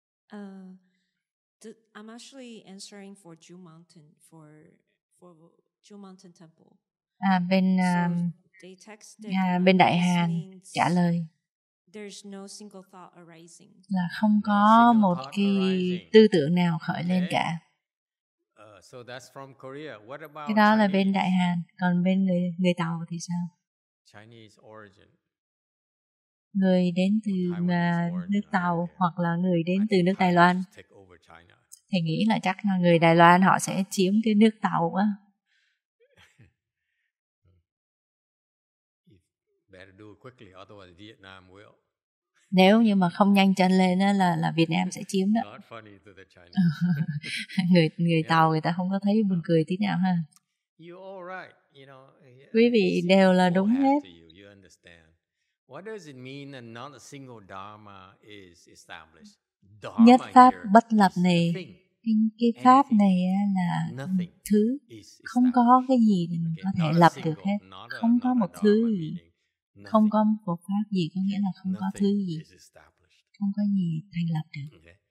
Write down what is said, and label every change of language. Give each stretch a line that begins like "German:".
English: I'm actually answering for Jiu Mountain for Jiu Mountain Temple.
Vietnamese: Bên Đại Hàn trả lời.
English: There's no single thought arising.
Vietnamese: Là không có một cái tư tưởng nào khởi lên cả.
English: So that's from Korea. What about?
Vietnamese: Cái đó
English: Chinese?
Vietnamese: Là bên Đại Hàn. Còn bên người Tàu thì sao?
English: Chinese origin.
Vietnamese: Người đến từ nước Tàu hoặc là người đến từ nước Đài Loan. Thì nghĩ là chắc là người Đài Loan họ sẽ chiếm cái nước Tàu á.
English: Better do it quickly, otherwise Vietnam will.
Vietnamese: Nếu như mà không nhanh chân lên á là Việt Nam sẽ chiếm đó.
English: Not funny to the Chinese.
Vietnamese: người yeah. Tàu người ta không có thấy buồn cười tí nào ha.
English: You all right, you know.
Vietnamese: Quý vị đều là đúng hết.
English: You understand. What does it mean that not a single dharma is established?
Vietnamese: Nhất pháp bất lập này, cái pháp này là thứ, không có cái gì mình có thể lập được hết, không có một thứ gì, không có một pháp gì, có nghĩa là không có thứ gì, không có gì thành lập được.